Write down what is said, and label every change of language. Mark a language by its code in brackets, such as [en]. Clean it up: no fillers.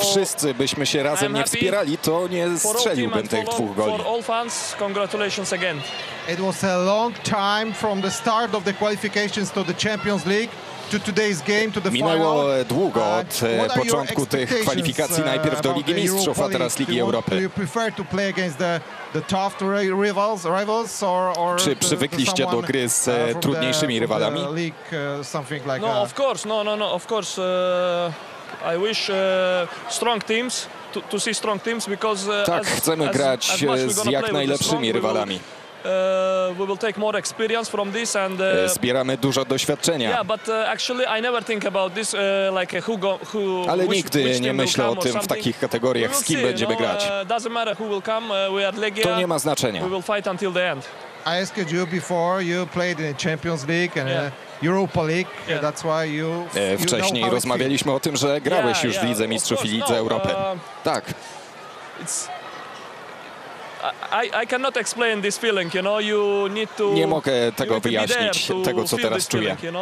[pl] wszyscy byśmy się razem nie wspierali, to nie strzeliłbym tych dwóch goli. [en] For all fans, congratulations again. It was a long time from the start of the qualifications to the Champions League to today's game to the final. [pl] Minęło długo od początku tych kwalifikacji najpierw do Ligi Mistrzów, a teraz Ligi Europy. [en] Do you prefer to play against the tough rivals or [pl] czy przywykliście do gry z trudniejszymi rywalami? [en] No, of course. No, of course. I wish strong teams to see strong teams because [pl] tak, chcemy grać z jak najlepszymi rywalami. [en] We will take more experience from this and [pl] zbieramy dużo doświadczenia. [en] Yeah, but actually I never think about this like who [pl] ale nigdy nie myślę o tym w takich kategoriach, z kim będziemy grać. [en] Doesn't matter who will come, we are Legia. [pl] To nie ma znaczenia. [en] We will fight until the end. I asked you before, you played in the Champions League and Europa League, yeah. That's why you [pl] wcześniej [en] know [pl] rozmawialiśmy o tym, że grałeś już w Lidze Mistrzów i Lidze Europy. Tak. [en] I cannot explain this feeling, you know, you need to [pl] nie mogę tego wyjaśnić, tego co teraz czuję.